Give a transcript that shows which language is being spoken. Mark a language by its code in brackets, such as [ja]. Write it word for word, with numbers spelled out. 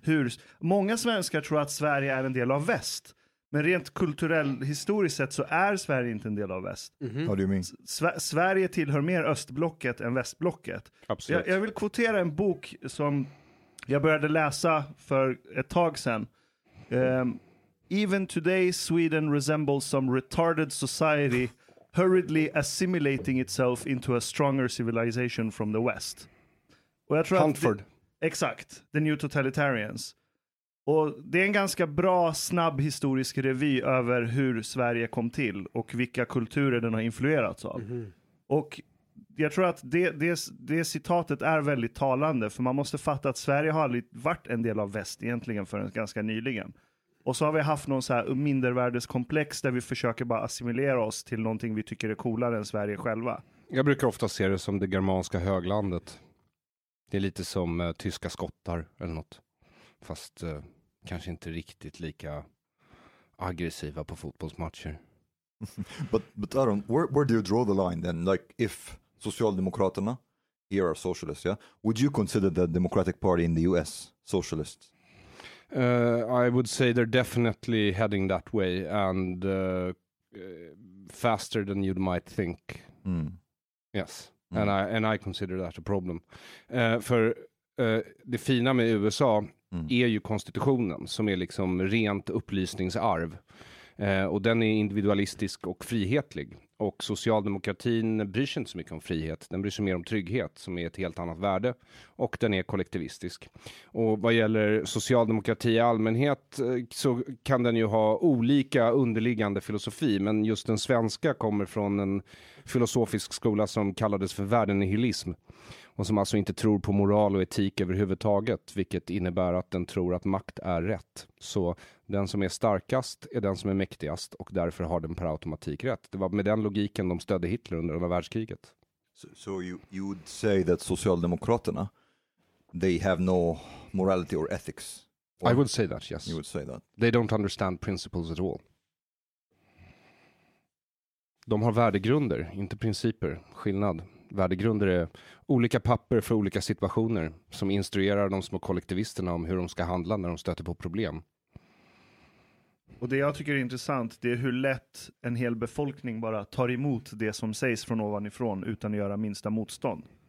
[sv] Hur, många svenskar tror att Sverige är en del av väst. Men rent kulturell, historiskt sett så är Sverige inte en del av väst. Mm-hmm. Vad du menar? Sve- Sverige tillhör mer östblocket än västblocket. Absolut. Jag, jag vill kvotera en bok som jag började läsa för ett tag sedan. [en] Um, Even today Sweden resembles some retarded society hurriedly assimilating itself into a stronger civilization from the West. [sv] Och jag tror Huntford. Det, exakt, The New Totalitarians. Och det är en ganska bra, snabb historisk revy över hur Sverige kom till och vilka kulturer den har influerats av. Mm-hmm. Och jag tror att det, det, det citatet är väldigt talande, för man måste fatta att Sverige har aldrig varit en del av väst egentligen förrän ganska nyligen. Och så har vi haft någon så här mindervärdeskomplex där vi försöker bara assimilera oss till någonting vi tycker är coolare än Sverige själva. Jag brukar ofta se det som det germanska höglandet. Det är lite som eh, tyska skottar eller något. Fast eh, kanske inte riktigt lika aggressiva på fotbollsmatcher. [en] but, but Aaron, where, where do you draw the line then? Like if Socialdemokraterna here are socialists, yeah? Would you consider the Democratic Party in the U S socialists? Uh, I would say they're definitely heading that way and uh, uh, faster than you might think. Mm. Yes, mm. and I and I consider that a problem. [sv] Uh, för uh, det fina med U S A mm. är ju konstitutionen som är liksom rent upplysningsarv. Uh, och den är individualistisk och frihetlig. Och socialdemokratin bryr sig inte så mycket om frihet. Den bryr sig mer om trygghet som är ett helt annat värde. Och den är kollektivistisk. Och vad gäller socialdemokrati i allmänhet så kan den ju ha olika underliggande filosofi. Men just den svenska kommer från en filosofisk skola som kallades för värdenihilism. Och som alltså inte tror på moral och etik överhuvudtaget. Vilket innebär att den tror att makt är rätt. Så den som är starkast är den som är mäktigast. Och därför har den per automatik rätt. Det var med den logiken de stödde Hitler under andra världskriget. [en] So, so you, you would say that Socialdemokraterna, they have no morality or ethics? Or I would say that, yes. You would say that. They don't understand principles at all. [sv] De har värdegrunder, inte principer. Skillnad. Värdegrunder är olika papper för olika situationer som instruerar de små kollektivisterna om hur de ska handla när de stöter på problem. Och det jag tycker är intressant, det är hur lätt en hel befolkning bara tar emot det som sägs från ovanifrån utan att göra minsta motstånd.